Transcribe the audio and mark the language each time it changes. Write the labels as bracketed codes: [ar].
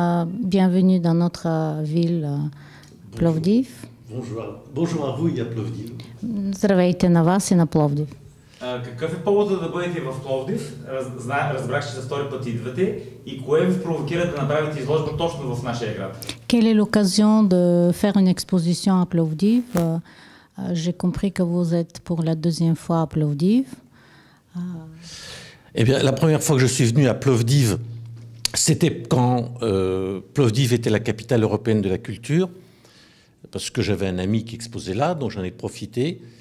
[fr] Bienvenue dans notre ville, Plovdiv. Bonjour à vous et à Plovdiv. [bg] Здравейте на вас и на Пловдив. Какъв е поводът да бъдете в Пловдив? Разбрах, че за втори път идвате. И кое ви провокира да направите изложба точно в нашия град? [fr] Quelle est l'occasion de faire une exposition à Plovdiv? J'ai compris que vous êtes pour la deuxième fois à Plovdiv. Eh bien, la première fois que je suis venu à Plovdiv, c'était quand Plovdiv était la capitale européenne de la culture, parce que j'avais un ami qui exposait là, donc j'en ai profité.